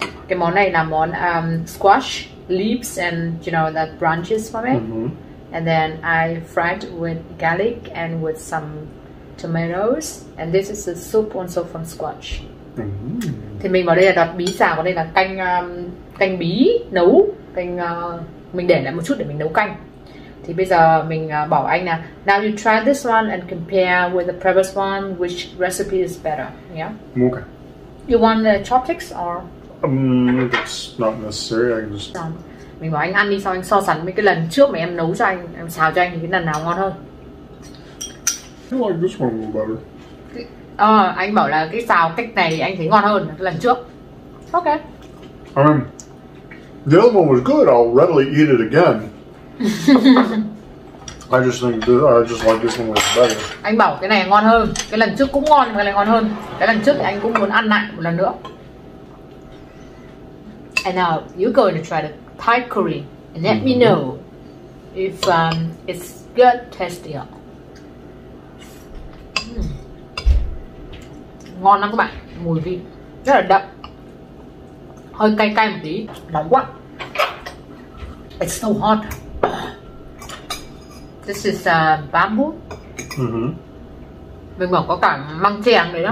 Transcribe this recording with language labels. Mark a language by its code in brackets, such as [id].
[vi] Cái món này là món [en] squash leaves and you know that branches from it. And then I fried with garlic and with some tomatoes. And this is the soup also from squash. [vi] Thì mình vào đây là đọt bí xào, vào đây là canh canh bí nấu canh, mình để lại một chút để mình nấu canh. Thì bây giờ mình bảo anh là [en] now you try this one and compare with the previous one, which recipe is better. Yeah, okay. You want the chopsticks or it's not necessary, I just [vi] xong. Mình bảo anh ăn đi, xong anh so sánh mấy cái lần trước mà em nấu cho anh, em xào cho anh, thì cái lần nào ngon hơn. [en] I like this one a little better. [vi] Anh bảo là cái xào cách này thì anh thấy ngon hơn lần trước. Ok. [en] I mean, the other one was good. I'll readily eat it again. I just think this, I just like this one better. [vi] Anh bảo cái này ngon hơn. Cái lần trước cũng ngon nhưng cái này ngon hơn. Cái lần trước anh cũng muốn ăn lại một lần nữa. [en] And now you're going to try the Thai curry and let me know if it's good tasty. [vi] Ngon lắm các bạn, mùi vị rất là đậm, hơi cay cay một tí, nóng quá. [en] It's so hot. This is bamboo. [vi] Mình bảo có cả măng chèng đấy đó.